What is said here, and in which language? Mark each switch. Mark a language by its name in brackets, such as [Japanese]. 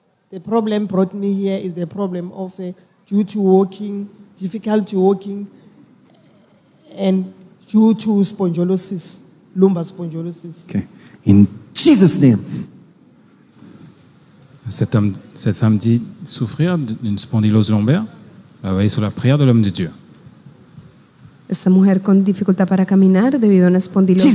[English] The problem brought me here is the problem of due to walking, difficulty walking, and due to spondylosis, lumbar spondylosis. Okay. In Jesus' name. [French] Cet homme, cette femme dit souffrir d'une spondylose lombaire. Travaillez sur la prière de l'homme de Dieu. [Spanish] Esta mujer con dificultad para caminar debido a una espondilosis